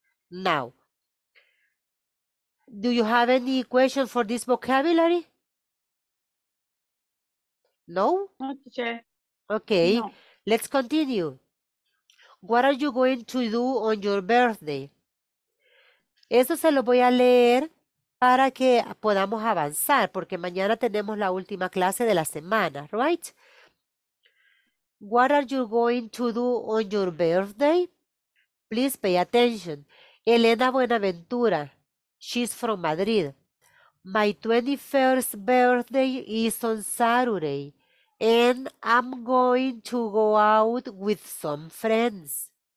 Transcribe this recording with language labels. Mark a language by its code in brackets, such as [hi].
[en] Now, do you have any question for this vocabulary? No? No, teacher. Okay, no. Let's continue. What are you going to do on your birthday? [es] Eso se lo voy a leer para que podamos avanzar, porque mañana tenemos la última clase de la semana, right? [en] What are you going to do on your birthday? Please pay attention. Elena Buenaventura. She's from Madrid. My 21st birthday is on Saturday, and I'm going to go out with some friends.